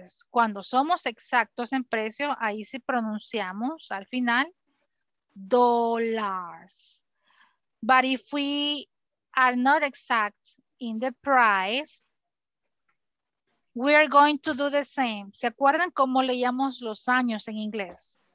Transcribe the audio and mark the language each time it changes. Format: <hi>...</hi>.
<es>Cuando somos exactos en precio, ahí sí pronunciamos al final dollars.</es> <en>But if we are not exact in the price, we are going to do the same.</en> <es>¿Se acuerdan cómo leíamos los años en inglés?</es>